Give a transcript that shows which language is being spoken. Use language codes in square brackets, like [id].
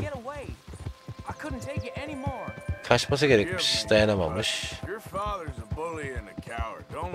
[en] I couldn't take it anymore. [tr] Kaçması gerekmiş, dayanamamış. [en] Your father's a bully and a coward.